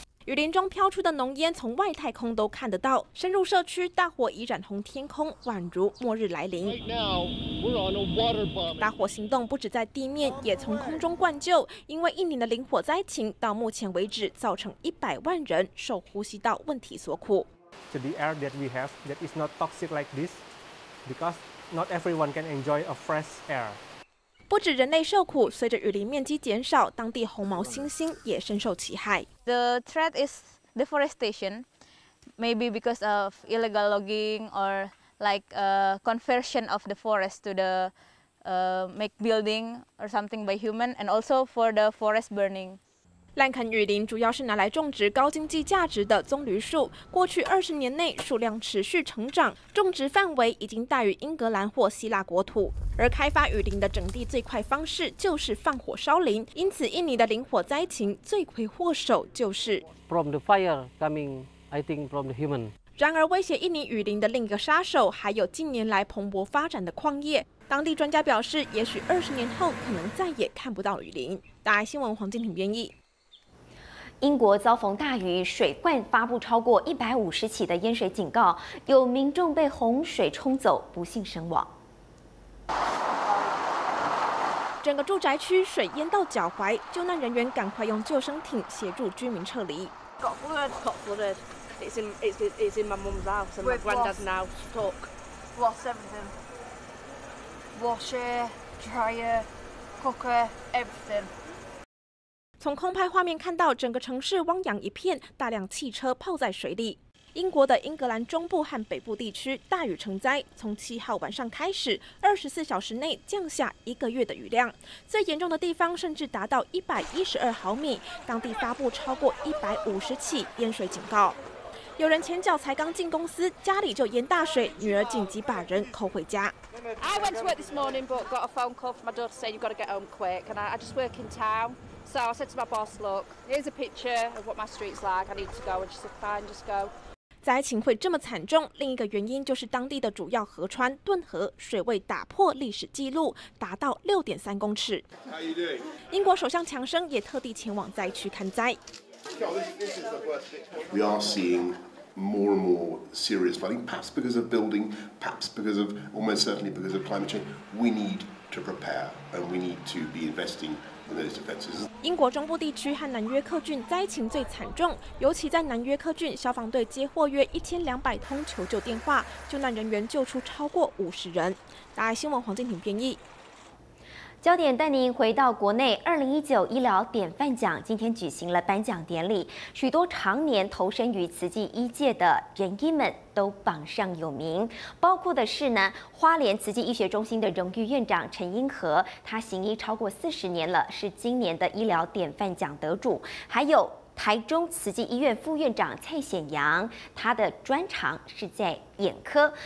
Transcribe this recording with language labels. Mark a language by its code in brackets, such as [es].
[zh] 雨林中飘出的浓烟从外太空都看得到，深入社区，大火已染红天空，宛如末日来临。 [en] Right now, we're on a water bomb. [zh] 大火行动不止在地面，也从空中灌救。因为印尼的林火灾情，到目前为止造成100万人受呼吸道问题所苦。 [en] So the air that we have that is not toxic like this, because not everyone can enjoy a fresh air. [zh] 不止人类受苦，随着雨林面积减少，当地红毛猩猩也深受其害。 [en] The threat is deforestation, maybe because of illegal logging or like a conversion of the forest to the make building or something by human, and also for the forest burning. [zh] 滥垦雨林主要是拿来种植高经济价值的棕榈树，过去20年内数量持续成长，种植范围已经大于英格兰或希腊国土。而开发雨林的整地最快方式就是放火烧林，因此印尼的林火灾情罪魁祸首就是 [en] from the fire coming, I think from the human. [zh] 然而威胁印尼雨林的另一个杀手，还有近年来蓬勃发展的矿业。当地专家表示，也许20年后可能再也看不到雨林。大爱新闻黄敬婷编译。英国遭逢大雨，水患发布超过150起的淹水警告，有民众被洪水冲走，不幸身亡。整个住宅区水淹到脚踝，救难人员赶快用救生艇协助居民撤离。 [en] Got flooded, got flooded. It's in my mum's house and my granddad's now stuck. Lost everything. Washer, dryer, cooker, everything. [zh] 从空拍画面看到，整个城市汪洋一片，大量汽车泡在水里。英国的英格兰中部和北部地区大雨成灾，从7号晚上开始，24小时内降下一个月的雨量，最严重的地方甚至达到112毫米，当地发布超过150起淹水警告。有人前脚才刚进公司，家里就淹大水，女儿紧急把人扣回家。 [en] I went to work this morning, but got a phone call from my daughter saying you've got to get home quick, and I just work in town. So I said to my boss, look, here's a picture of what my street's like, I need to go. And she said, fine, just go. [zh] 灾情会这么惨重，另一个原因就是当地的主要河川顿河水位打破历史记录，达到6.3公尺。 [en] How are you doing? [zh] 英国首相强生也特地前往灾区看灾。 [en] We are seeing more and more serious flooding, perhaps because of building, perhaps because of, almost certainly because of climate change. We need to prepare and we need to be investing. [zh] 英国中部地区和南约克郡灾情最惨重，尤其在南约克郡，消防队接获约1200通求救电话，救难人员救出超过50人。大爱新闻黄敬婷编译。焦点带您回到国内，2019医疗典范奖今天举行了颁奖典礼，许多常年投身于慈济医界的仁医们都榜上有名，包括的是呢，花莲慈济医学中心的荣誉院长陈英和，他行医超过40年了，是今年的医疗典范奖得主，还有台中慈济医院副院长蔡显阳，他的专长是在眼科。